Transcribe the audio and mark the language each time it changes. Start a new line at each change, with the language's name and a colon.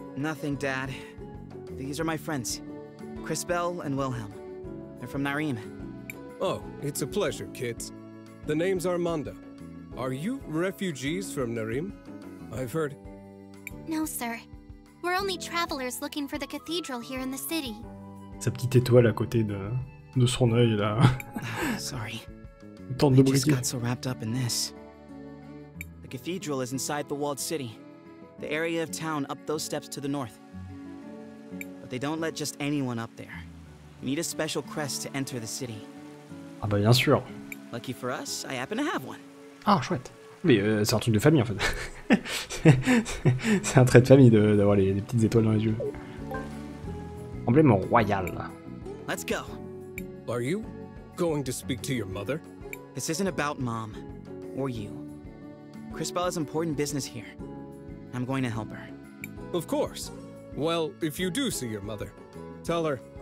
English: Nothing, Dad. These are my friends. Crispell and Wilhelm. They're from Nareem. Oh, it's a pleasure, kids. The name's Armando. Are you refugees from Nareem? I've heard. No, sir. We're only travelers looking for the cathedral here in the city.
French: Sa petite étoile à côté de son œil là.
English: Sorry.
French: Tente de
English: briller. I just got so wrapped up in this. The cathedral is inside the walled city. The area of town up those steps to the north. But they don't let just anyone up there. You need a special crest to enter the city.
French: Ah bah bien sûr.
English: Lucky for us, I happen to have one.
French: Ah chouette. Mais c'est un truc de famille en fait. C'est un trait de famille d'avoir les petites étoiles dans les yeux. Emblème royal.
English: Let's go. Are you going to speak to your mother? This isn't about mom or you. Crispell has important business here. I'm going to help her. Of course. Well, if you do see your mother, tell her.